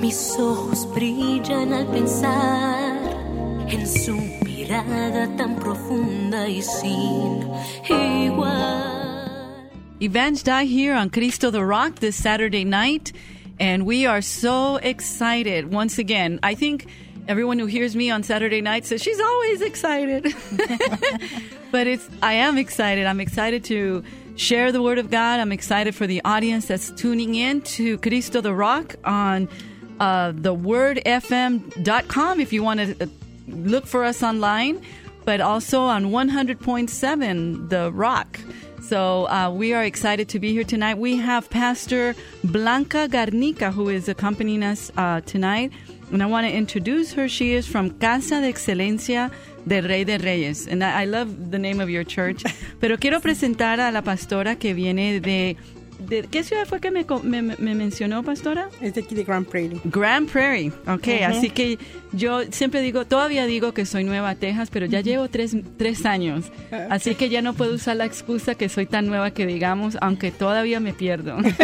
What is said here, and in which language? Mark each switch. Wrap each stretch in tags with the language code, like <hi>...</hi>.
<es>Mis ojos brillan al pensar en su mirada tan profunda y sin igual.</es> <en>Evange Dye here on Cristo the Rock this Saturday night, and we are so excited once again. I think everyone who hears me on Saturday night says she's always excited. But I am excited. I'm excited to share the Word of God. I'm excited for the audience that's tuning in to Cristo the Rock on thewordfm.com if you want to look for us online, but also on 100.7 The Rock. So we are excited to be here tonight. We have Pastor Blanca Garnica, who is accompanying us tonight. And I want to introduce her. She is from Casa de Excelencia de Rey de Reyes. And I love the name of your church.</en> <es>Pero quiero presentar a la pastora que viene de ¿qué ciudad fue que me mencionó, pastora? Es de aquí, de Grand Prairie. Grand Prairie. Ok, uh-huh. Así que yo siempre digo, todavía digo que soy nueva a Texas, pero ya llevo tres años. Uh-huh. Así que ya no puedo usar la excusa que soy tan nueva que digamos, aunque todavía me pierdo.</es>